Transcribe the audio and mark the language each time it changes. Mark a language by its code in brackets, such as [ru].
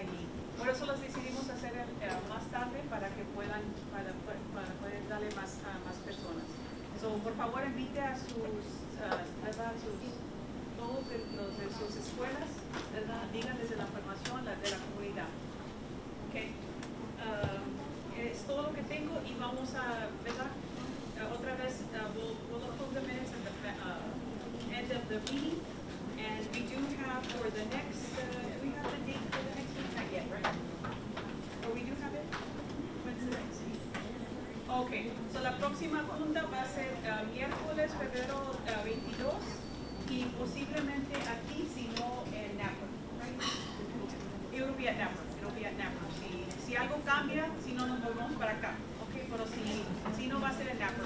[es] Y por eso las decidimos hacer más tarde para que puedan, para poder darle más a más personas. So, por favor, invite a sus, ¿verdad? Todos los de sus escuelas, ¿verdad? Díganles de la formación, la de la comunidad. Ok. Es todo lo que tengo y vamos a, ¿verdad? [en] Otra vez, we'll open the minutes at the end of the meeting. And we do have for the next, do we have the date for the next week? Not yet, right? Oh, we do have it? When's the next week? [es] Okay, so la próxima junta va a ser miércoles, febrero 22, y posiblemente aquí, si no, en Napa, [en] right? It'll be at Napa. [es] Si algo cambia, si no, nos volvemos para acá, okay? Pero si no, va a ser en Napa.